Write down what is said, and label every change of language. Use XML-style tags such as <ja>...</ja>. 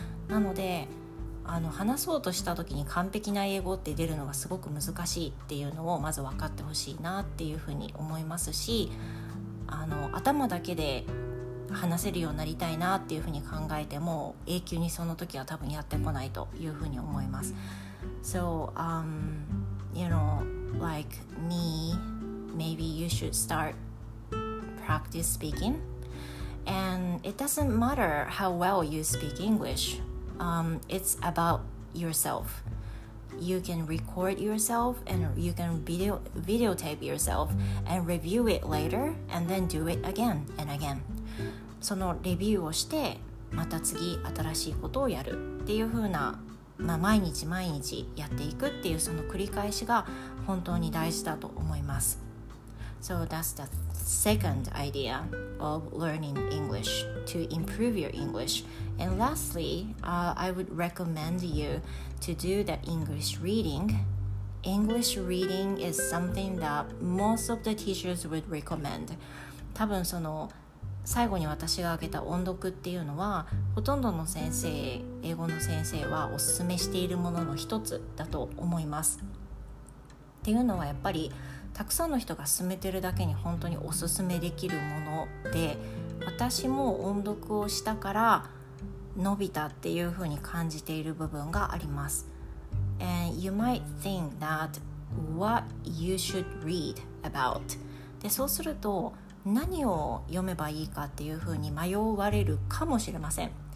<ja>なので話そうとした時に完璧な英語って出るのがすごく難しいっていうのをまず分かってほしいなっていうふうに思いますし、頭だけで話せるようになりたいなっていうふうに考えても永久にその時は多分やってこないというふうに思います。</ja> <en>So, you know, like me, maybe you should start practice speaking. And it doesn't matter how well you speak English. It's about yourself. You can record yourself and you can videotape yourself and review it later and then do it again and again.</en> <ja>そのレビューをしてまた次新しいことをやるっていう風な、まあ、毎日毎日やっていくっていうその繰り返しが本当に大事だと思います。</ja> <en>So that's the second idea of learning English to improve your English. And lastly, I would recommend you to do the English reading. English reading is something that most of the teachers would recommend.</en> <ja>多分その最後に私が挙げた音読っていうのはほとんどの先生、英語の先生はおすすめしているものの一つだと思います。っていうのはやっぱりたくさんの人が勧めてるだけに本当におすすめできるもので、私も音読をしたから伸びたっていうふうに感じている部分があります。</ja> <en>And you might think that what you should read about.</en> <ja>で、そうすると何を読めばいいかっていうふうに迷われるかもしれません。</ja>